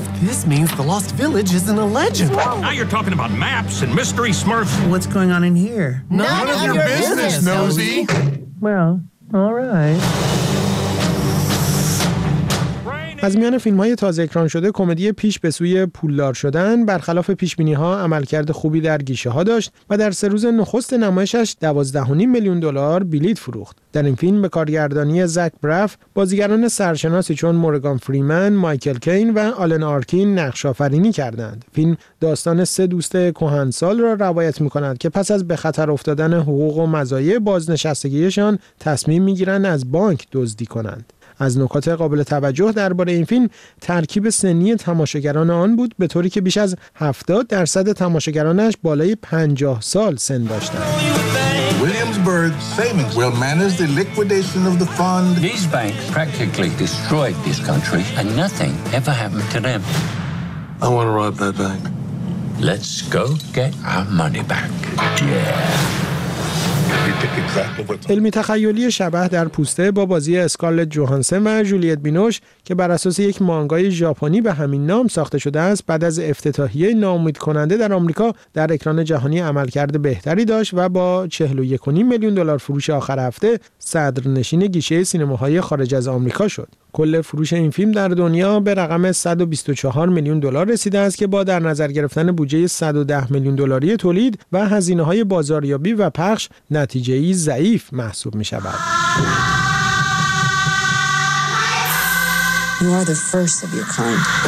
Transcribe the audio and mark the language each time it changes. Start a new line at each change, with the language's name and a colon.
English: This means the Lost Village isn't a legend. Now you're talking about maps and mystery smurfs. What's going on in here? None of your business, Nosy. Well, all right.
Persian: از میان فیلم‌های تازه اکران شده، کمدی پیش به سوی پولدار شدن برخلاف پیش‌بینی‌ها عملکرد خوبی در گیشه‌ها داشت و در سه روز نخست نمایشش 12.5 میلیون دلار بلیط فروخت. در این فیلم به کارگردانی زک براف، بازیگران سرشناسی چون مورگان فریمن، مایکل کین و آلن آرکین نقش‌آفرینی کردند. فیلم داستان سه دوست کهنسال را روایت می‌کند که پس از به خطر افتادن حقوق و مزایای بازنشستگی‌شان، تصمیم می‌گیرند از بانک دزدی کنند. از نکات قابل توجه درباره این فیلم، ترکیب سنی تماشاگران آن بود، به طوری که بیش از 70% تماشاگرانش بالای 50 سال سن داشتند.
English: Williamsburg Savings will manage the liquidation of the fund. These banks practically destroyed this country and nothing ever happened to them. I want to rob that bank. Let's go get our money back. Yeah.
Persian: فیلم تخیلی شبح در پوسته با بازی اسکارلت جوهانسن و جولیت بینوش که بر اساس یک مانگای ژاپنی به همین نام ساخته شده است، بعد از افتتاحیه ناامیدکننده در آمریکا در اکران جهانی عملکرد بهتری داشت و با 41.5 میلیون دلار فروش آخر هفته صدرنشین گیشه سینماهای خارج از آمریکا شد. کل فروش این فیلم در دنیا به رقم 124 میلیون دلار رسیده است که با در نظر گرفتن بودجه 110 میلیون دلاری تولید و هزینه‌های بازاریابی و پخش، نتیجه‌ای ضعیف محسوب می‌شود.
English: You are the first of your kind.